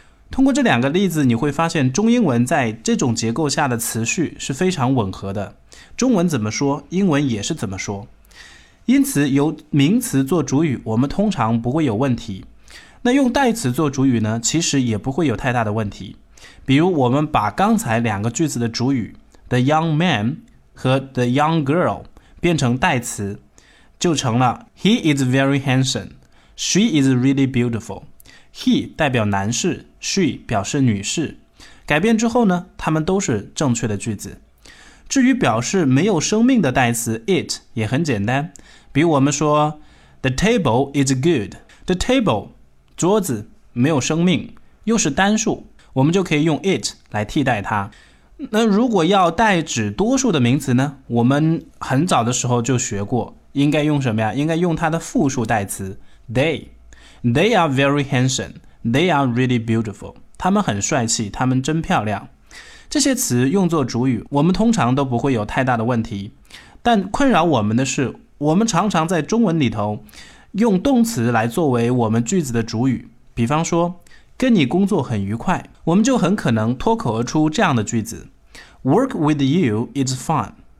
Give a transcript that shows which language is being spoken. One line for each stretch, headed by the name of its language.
Chinese: 通过这两个例子你会发现，中英文在这种结构下的词序是非常吻合的，中文怎么说英文也是怎么说。因此由名词做主语我们通常不会有问题，那用代词做主语呢其实也不会有太大的问题。比如我们把刚才两个句子的主语
English: The young man
Chinese: 和
English: The young girl
Chinese: 变成代词，就成了
English: He is very handsome， She is really beautiful。
Chinese: He 代表男士， She 表示女士。改变之后呢他们都是正确的句子。至于表示没有生命的代词 It 也很简单，比如我们说
English: The table is good，
Chinese: The table 桌子没有生命，又是单数，我们就可以用 It 来替代它。那如果要代指多数的名词呢，我们很早的时候就学过应该用什么呀，应该用它的复数代词 They。
English: They are very handsome， They are really beautiful，
Chinese: 他们很帅气，他们真漂亮。这些词用作主语我们通常都不会有太大的问题，但困扰我们的是我们常常在中文里头用动词来作为我们句子的主语。比方说跟你工作很愉快，我们就很可能脱口而出这样的句子
English: Work with you is fun。